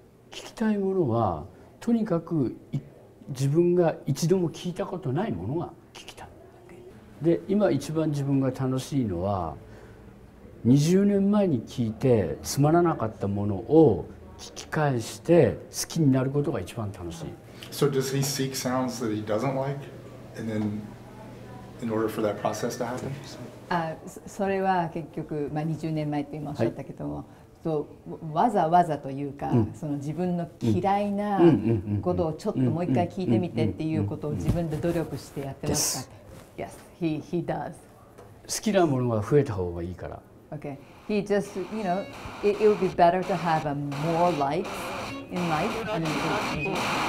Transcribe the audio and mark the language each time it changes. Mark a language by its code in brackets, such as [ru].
[ja] 聞きたいものはとにかく 自分が一度も聴いたことないものが聴きた。で、今一番自分が楽しいのは 20年前に聴いてつまらなかったものを聴き返して好きになることが一番楽しい。 [en] So does he seek sounds that he doesn't like? And then in order for that process to happen? [ja] それは結局、20年前と今おっしゃったけども、 わざわざというか、その自分の嫌いなことをちょっともう一回聞いてみてっていうことを自分で努力してやってますか。 [en] Yes, he does. [ja] 好きなものが増えた方がいいから。 [en] Okay, he just, you know, it would be better to have a more likes in life.